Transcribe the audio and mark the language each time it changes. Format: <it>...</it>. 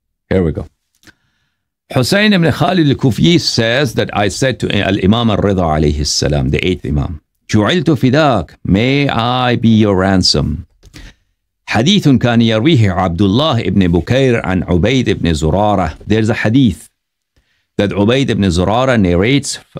<en>Here we go. Hussein ibn Khalid al-Kufi says that I said to Imam al-Ridha alayhi salam, the eighth Imam,</en> <ar>جُعِلْتُ فِدَاكَ,</ar> <en>may I be your ransom.</en> <ar>حديث كان يرويه عبد الله ابن بكير عن عبيد ابن زرارة.</ar> <en>There's a hadith that Ubayd ibn Zurara narrates.</en>